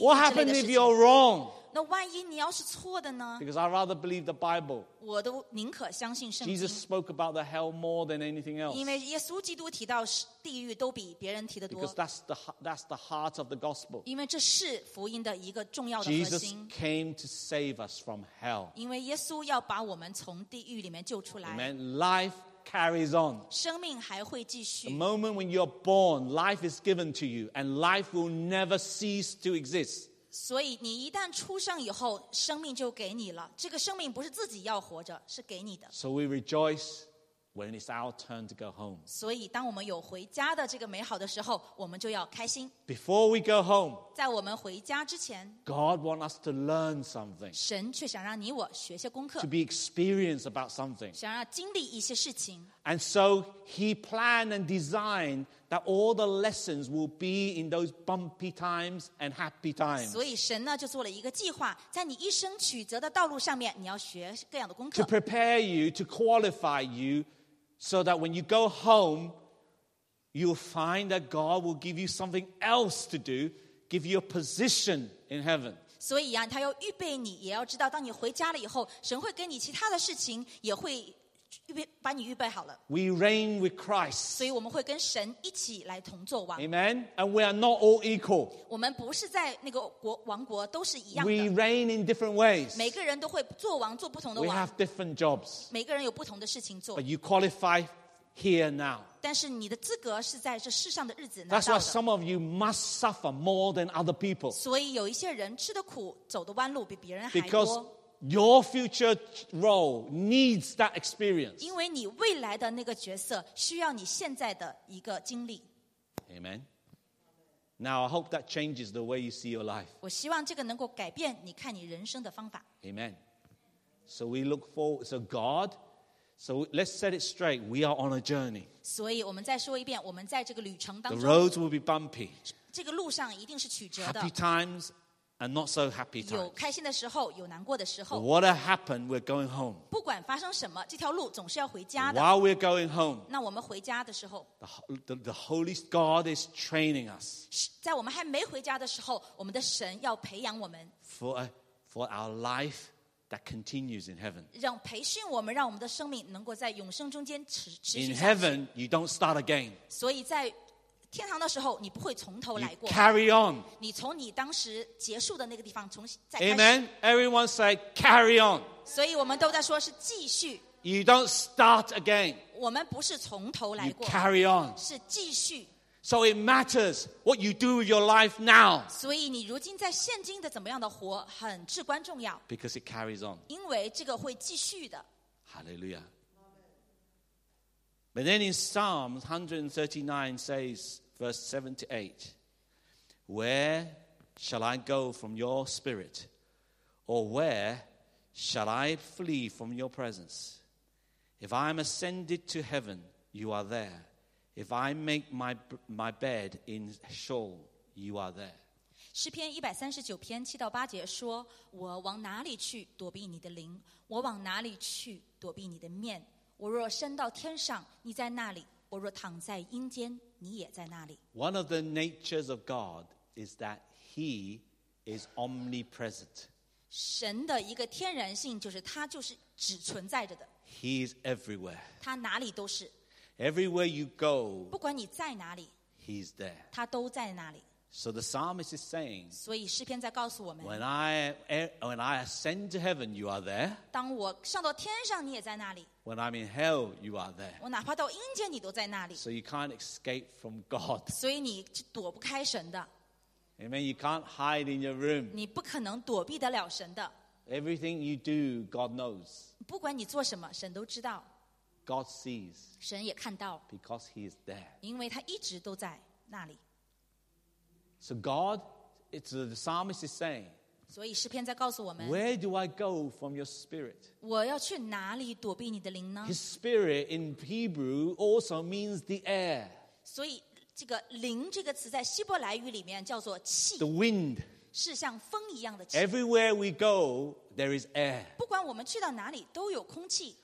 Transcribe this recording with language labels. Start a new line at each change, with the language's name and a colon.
Chinese: 之类的事情。
English: What happens if you're wrong?
Chinese: 那万一你要是错的呢？
English: Because I rather believe the Bible.
Chinese: 我都宁可相信圣经。
English: Jesus spoke about the hell more than anything else.
Chinese: 因为耶稣基督提到地狱都比别人提得多。
English: Because that's the heart of the gospel.
Chinese: 因为这是福音的一个重要的核心。
English: Jesus came to save us from hell.
Chinese: 因为耶稣要把我们从地狱里面救出来。
English: Amen. Life. Carries on.
Chinese: 生命还会继续。
English: The moment when you're born, life is given to you, and life will never cease to exist.
Chinese: 所以你一旦出生以后，生命就给你了。这个生命不是自己要活着，是给你的。
English: So we rejoice when it's our turn to go home.
Chinese: 所以当我们有回家的这个美好的时候，我们就要开心。
English: Before we go home,
Chinese: 在我们回家之前
English: ，God wants us to learn something.
Chinese: 神却想让你我学些功课
English: ，to be experienced about something.
Chinese: 想要经历一些事情。
English: And so He planned and designed that all the lessons will be in those bumpy times and happy times.
Chinese: 所以神呢就做了一个计划，在你一生曲折的道路上面，你要学各样的功课。
English: To prepare you, to qualify you, so that when you go home. You'll find that God will give you something else to do, give you a position in heaven.
Chinese: 所以啊，他要预备你，也要知道，当你回家了以后，神会给你其他的事情，也会预备把你预备好了。
English: We reign with Christ.
Chinese: 所以我们会跟神一起来同作王。
English: Amen. And we are not all equal.
Chinese: 我们不是在那个国王国都是一样的。
English: We reign in different ways.
Chinese: 每个人都会做王，做不同的王。
English: We have different jobs.
Chinese: 每个人有不同的事情做。
English: But you qualify here now.
Chinese: 但是你的资格是在这世上的日子拿到的。
English: That's why some of you must suffer more than other people.
Chinese: 所以有一些人吃的苦，走的弯路比别人还多。
English: Because your future role needs that experience.
Chinese: 因为你未来的那个角色需要你现在的一个经历。
English: Amen. Now I hope that changes the way you see your life.
Chinese: 我希望这个能够改变你看你人生的方法。
English: Amen. So we look forward. So God, so let's set it straight. We are on a journey.
Chinese: 所以我们再说一遍，我们在这个旅程当中。
English: The roads will be bumpy.
Chinese: 这个路上一定是曲折的。
English: Happy times and not so happy times.
Chinese: 有开心的时候，有难过的时候。
English: What happened? We're going home.
Chinese: 不管发生什么，这条路总是要回家的。
English: While we're going home.
Chinese: 那我们回家的时候。
English: The Holy God is training us.
Chinese: 在我们还没回家的时候，我们的神要培养我们。
English: For our life. That continues in heaven.
Chinese: 让培训我们，让我们的生命能够在永生中间持续下去。
English: In heaven, you don't start again.
Chinese: 所以在天堂的时候，你不会从头来过。
English: You carry on.
Chinese: 你从你当时结束的那个地方重新再开始。
English: Amen. Everyone say carry on.
Chinese: 所以我们都在说是继续。
English: You don't start again.
Chinese: 我们不是从头来过。
English: You carry on.
Chinese: 是继续。
English: So it matters what you do with your life now.
Chinese: 所以你如今在现今的怎么样的活很至关重要。
English: Because it carries on.
Chinese: 因为这个会继续的。
English: Hallelujah. But then in Psalms 139 says, verse 7-8, Where shall I go from your spirit? Or where shall I flee from your presence? If I am ascended to heaven, you are there. If I make my bed in Sheol, you are there.
Chinese: 诗篇139篇7到8节说，我往哪里去躲避你的灵？我往哪里去躲避你的面？我若升到天上，你在那里；我若躺在阴间，你也在那里。
English: One of the natures of God is that he is omnipresent.
Chinese: 神的一个天然性就是他就是只存在着的。
English: He is everywhere.
Chinese: 他哪里都是。
English: Everywhere you go,
Chinese: 不管你在哪里,
English: he's there.
Chinese: 他都在那里。
English: So the psalmist is saying,
Chinese: 所以诗篇在告诉我们,
English: when I ascend to heaven, you are there.
Chinese: 当我上到天上, 你也在那里。
English: When I'm in hell, you are there.
Chinese: 我哪怕到阴间, 你都在那里。
English: So you can't escape from God.
Chinese: 所以你躲不开神的。
English: Amen, you can't hide in your room.
Chinese: 你不可能躲避得了神的。
English: Everything you do, God knows.
Chinese: 不管你做什么, 神都知道。
English: God sees.
Chinese: 神也看到。
English: Because he is there.
Chinese: 因为他一直都在那里。
English: So God, it's the psalmist is saying.
Chinese: 所以诗篇在告诉我们。
English: Where do I go from your spirit?
Chinese: 我要去哪里躲避你的灵呢？
English: His spirit in Hebrew also means the air.
Chinese: 所以这个灵这个词在希伯来语里面叫做气。
English: The wind.
Chinese: 是像风一样的气。
English: Everywhere we go. There is air.
Chinese: 不管我们去到哪里，都有空气。